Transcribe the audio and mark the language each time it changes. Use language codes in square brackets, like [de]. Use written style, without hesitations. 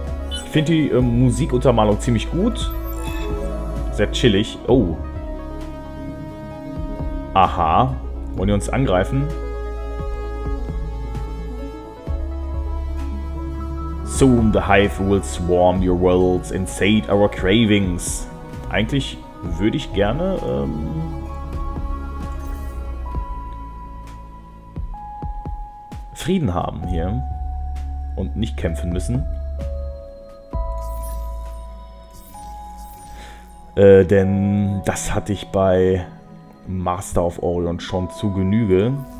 [de] Ich finde die Musikuntermalung ziemlich gut. Sehr chillig. Oh. Aha. Wollen die uns angreifen? [en] Soon the hive will swarm your worlds and sate our cravings. [de] Eigentlich würde ich gerne. Frieden haben hier. Und nicht kämpfen müssen. Denn das hatte ich bei Master of Orion schon zu Genüge.